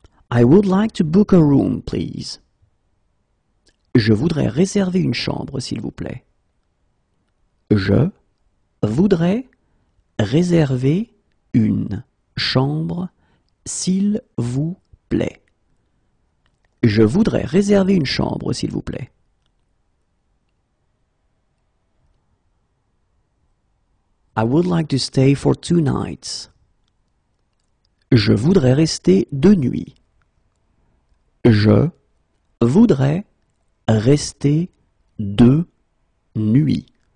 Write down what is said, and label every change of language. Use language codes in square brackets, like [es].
[en] I would like to book a room, please. [fr] Je voudrais réserver une chambre, s'il vous plaît. Je voudrais réserver une chambre, s'il vous plaît. Je voudrais réserver une chambre, s'il vous plaît. [en] I would like to stay for two nights. [fr] Je voudrais rester deux nuits. Je voudrais rester deux nuits.